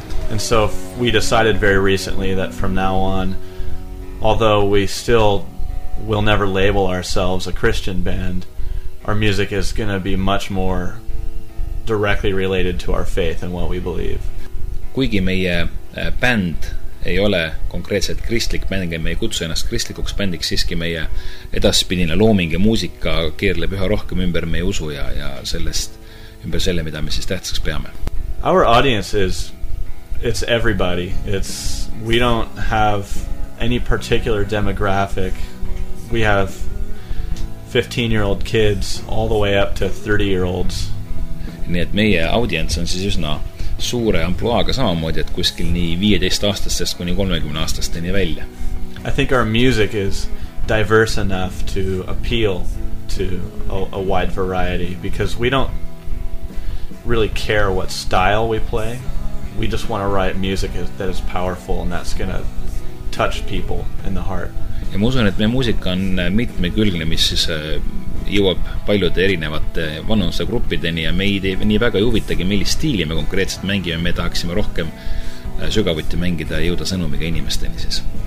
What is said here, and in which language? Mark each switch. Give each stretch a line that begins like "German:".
English: And so we decided very recently that from now on, although we still will never label ourselves a Christian band, our music is going to be much more directly related to our faith and what we believe.
Estonian: Kuigi meie band ei ole konkreetselt kristlik bänd, me ei kutsu ennast kristlikuks bändiks, siiski meie edaspidine looming ja muusika keerleb üha rohkem ümber meie usu ja sellest ümber selle, mida me siis tähtsaks peame.
English: Our audience is, it's everybody. It's, we don't have any particular demographic. We have 15-year-old kids all the way up to 30-year-olds.
Estonian: Nii et meie audience on siis üsna suure ampluaaga samamoodi, et kuskil nii 15-aastastest kuni 30-aastasteni välja.
English: I think our music is diverse enough to appeal to a wide variety because we don't really care what style we play. We just want to write music that is powerful and that's going to touch people in the heart.
Estonian: Ja ma usun, et meie muusika on mitmekülgne, mis siis jõuab paljude erinevate vanuse gruppideni ja me ei tee nii väga juvitagi, millist stiili me konkreetselt mängime. Me tahaksime rohkem sügavuti mängida ja jõuda sõnumiga inimesteni siis.